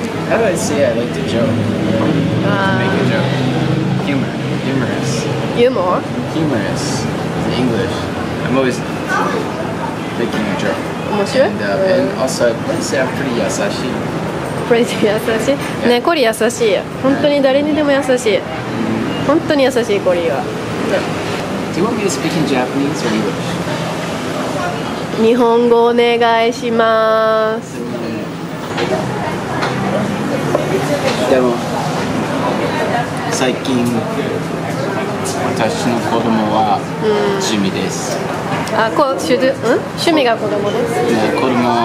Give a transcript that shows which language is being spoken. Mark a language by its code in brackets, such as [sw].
[en] How do I say I like to joke? Make a joke. Humorous. Humor? Humorous. In English. I'm always making a joke. And also, I would say I'm pretty yasashi. [ja] Pretty 優しい、ね、コリ優しい、本当に誰にでも優しい、本当に優しい、コリは。 [en] Do you want me to speak in Japanese or English? [ja] 日本語お願いします。でも最近私の子供は趣味です、うん、趣味が子供です。で子供